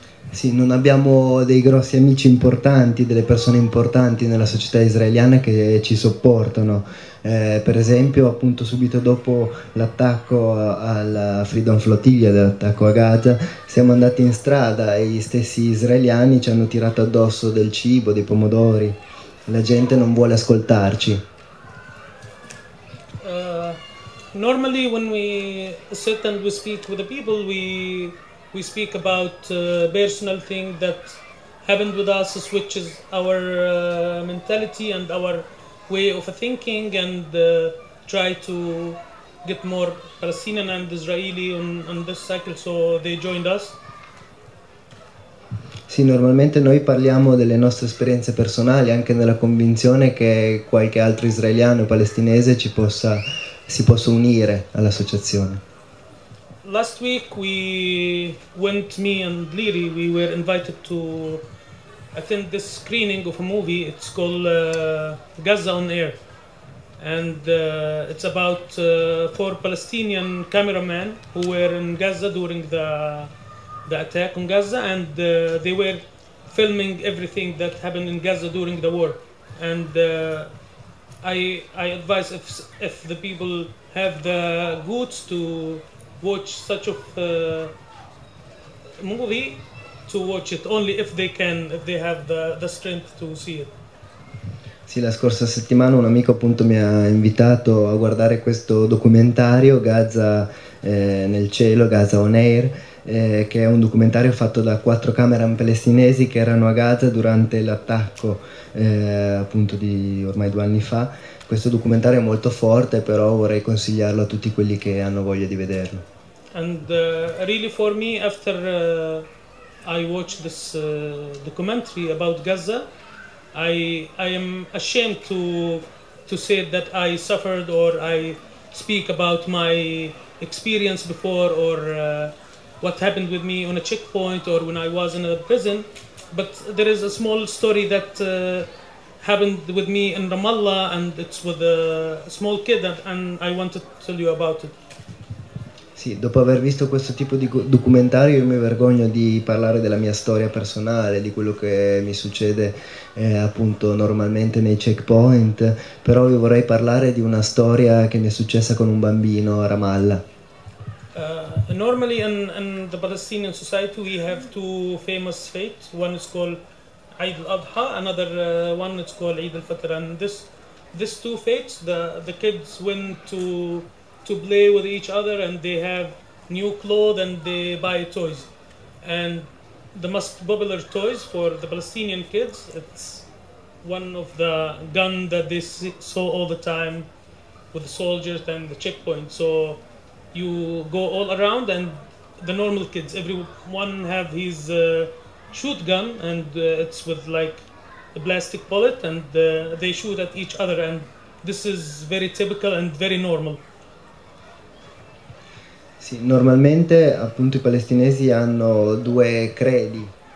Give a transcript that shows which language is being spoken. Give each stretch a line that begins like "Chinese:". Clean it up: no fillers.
Italian: Sì, non abbiamo dei grossi amici importanti, delle persone importanti nella società israeliana che ci sopportano. Per esempio, appunto, subito dopo l'attacco alla Freedom Flotilla, l'attacco a Gaza, siamo andati in strada e gli stessi israeliani ci hanno tirato addosso del cibo, dei pomodori. La gente non vuole ascoltarci.
English: Normally when we sit and we speak with the people, we speak about personal thing that happened with us, which is our mentality and our way of thinking, and try to get more Palestinian and Israeli on this cycle, so they joined us.
Italian: Sì, normalmente noi parliamo delle nostre esperienze personali, anche nella convinzione che qualche altro israeliano o palestinese si possa unire all'associazione.
English: Last week we went, me and Liri, we were invited to attend this screening of a movie. It's called Gaza on Air, and it's about four Palestinian cameramen who were in Gaza during the attack on Gaza, and they were filming everything that happened in Gaza during the war. And I advise if the people have the goods to watch such a movie, to watch it only if they can, if they have the strength to see it.
Italian: Sì, la scorsa settimana un amico appunto mi ha invitato a guardare questo documentario Gaza nel cielo, Gaza on Air, che è un documentario fatto da quattro cameraman palestinesi che erano a Gaza durante l'attacco appunto di ormai 2 anni fa. Questo documentario è molto forte, però vorrei consigliarlo a tutti quelli che hanno voglia di vederlo.
English: Really for me, after I watched this documentary about Gaza, I am ashamed to say that I suffered or I speak about my experience before or what happened with me on a checkpoint or when I was in a prison. But there is a small story that happened with me in Ramallah, and it's with a small kid, and I wanted to tell you about it.
Italian: Sì, dopo aver visto questo tipo di documentario io mi vergogno di parlare della mia storia personale, di quello che mi succede appunto normalmente nei checkpoint, però io vorrei parlare di una storia che mi è successa con un bambino a Ramallah.
English: Normally in the Palestinian society we have two famous fates. One is called Eid al-Adha, another one is called Eid al-Fitr. And this two fates, the kids went to play with each other, and they have new clothes and they buy toys. And the most popular toys for the Palestinian kids, it's one of the gun that they saw all the time with the soldiers and the checkpoint. So you go all around, and the normal kids, everyone have his shoot gun, and it's with like a plastic bullet, and they shoot at each other, and this is very typical and very normal.
Italian: Sì, normalmente appunto i palestinesi hanno due credi.